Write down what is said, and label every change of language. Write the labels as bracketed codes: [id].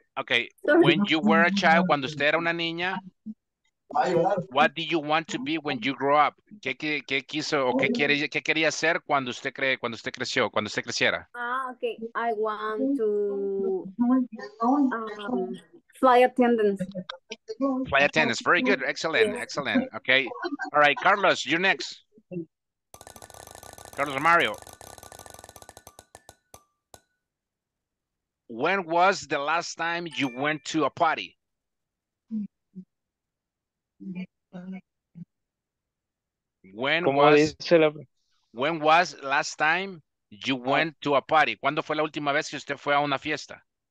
[en] Okay, when you were a child, [es] cuando usted era una niña, [en] what do you want to be when you grow up? [es] ¿Qué quiso o qué quería ser cuando usted creciera? [en] Ah, okay. I want to fly attendant. Fly attendant. Very good. Excellent. Okay. All right, Carlos, you're next. Carlos Mario. When was the last time you went to a party? When was last time you went to a party? [es] ¿Cuándo fue la última vez que usted fue a una fiesta?